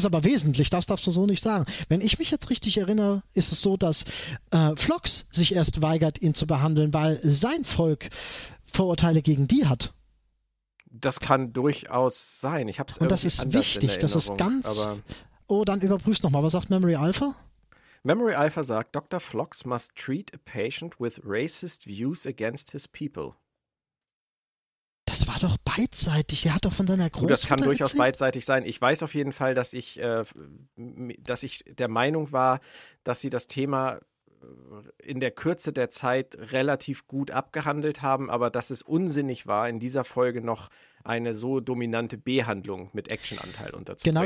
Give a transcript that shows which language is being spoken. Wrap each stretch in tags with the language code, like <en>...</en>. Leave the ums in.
<de>ist aber wesentlich, das darfst du so nicht sagen. Wenn ich mich jetzt richtig erinnere, ist es so, dass äh, Flox sich erst weigert, ihn zu behandeln, weil sein Volk Vorurteile gegen die hat. Das kann durchaus sein. Ich habe es Und das ist wichtig, das ist ganz- Aber Oh, dann überprüf's nochmal, was sagt Memory Alpha? Memory Alpha sagt, Dr.</de> <en>Flox must treat a patient with racist views against his people.</en> <de>Das war doch beidseitig, der hat doch von seiner Du, Großmutter das kann durchaus erzählt. beidseitig sein. Ich weiß auf jeden Fall, dass ich, äh, m- dass ich der Meinung war, dass sie das Thema äh, in der Kürze der Zeit relativ gut abgehandelt haben, aber dass es unsinnig war, in dieser Folge noch eine so dominante B-Handlung mit Actionanteil unterzubringen.</de>